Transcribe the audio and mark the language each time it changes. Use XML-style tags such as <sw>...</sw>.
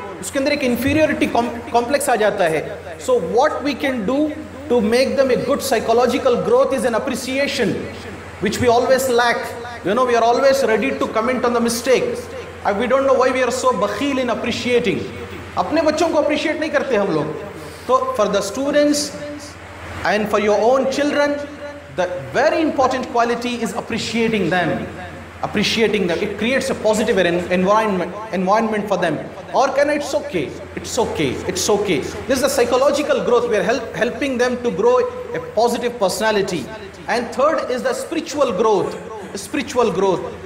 <ur>اس کے اندر ایک inferiority complex آ جاتا ہے.</ur> <en>So what we can do to make them a good psychological growth is an appreciation which we always lack. You know we are always ready to comment on the mistake. We don't know why we are so بخیل in appreciating.</en> <ur>اپنے بچوں کو appreciate نہیں کرتے ہم لوگ. تو</ur> <en>For the students and for your own children, the very important quality is appreciating them. Appreciating them, it creates a positive environment for them. Or can it's okay, it's okay, it's okay. This is a psychological growth. We are helping them to grow a positive personality. And third is the spiritual growth. Spiritual growth.</en>